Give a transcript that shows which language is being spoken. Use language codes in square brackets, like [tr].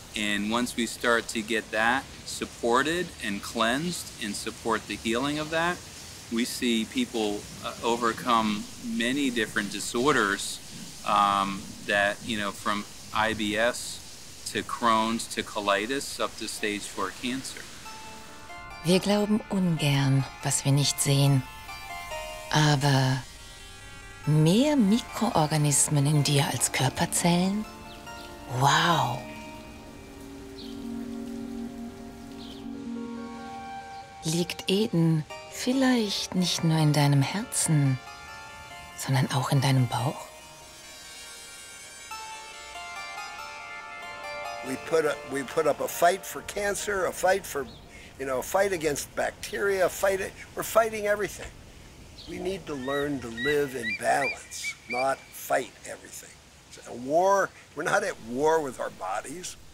[en] And once we start to get that supported and cleansed and support the healing of that, we see people overcome many different disorders that, you know, from IBS to Crohn's to colitis up to stage 4 cancer. [de] Wir glauben ungern, was wir nicht sehen. Aber mehr Mikroorganismen in dir als Körperzellen? Wow! Liegt Eden vielleicht nicht nur in deinem Herzen, sondern auch in deinem Bauch? [en] We put up a fight for cancer, a fight for, you know, a fight against bacteria, we're fighting everything. We need to learn to live in balance, not fight everything. It's a war, we're not at war with our bodies.